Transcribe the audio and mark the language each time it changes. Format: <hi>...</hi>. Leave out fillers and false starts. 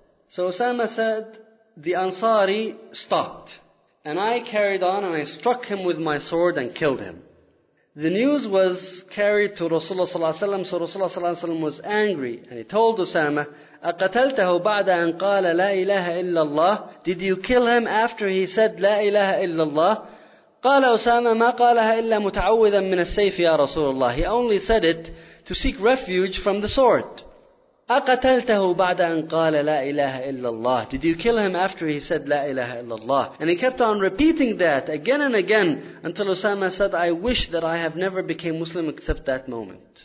<en>So Osama said, the Ansari stopped. And I carried on and I struck him with my sword and killed him. The news was carried to Rasulullah sallallahu alaihi wasallam, so Rasulullah sallallahu alaihi wasallam was angry and he told Osama,</en> <ar>أَقَتَلْتَهُ بَعْدَ أَنْ قَالَ لَا إِلَهَ إِلَّا اللَّهِ.</ar> <en>Did you kill him after he said</en> <ar>لا إله إلا الله؟ قَالَ أُسَامَ مَا قَالَهَا إِلَّا مُتَعَوِّذًا مِنَ السَّيْفِ يَا رَسُولَ اللَّهِ.</ar> <en>He only said it to seek refuge from the sword.</en> <ar>أَقَتَلْتَهُ بَعْدَ أَنْ قَالَ لَا إِلَهَ إِلَّا اللَّهِ.</ar> <en>Did you kill him after he said</en> <ar>لا إله إلا الله؟</ar> <en>And he kept on repeating that again and again until Osama said, I wish that I have never became Muslim except that moment.</en>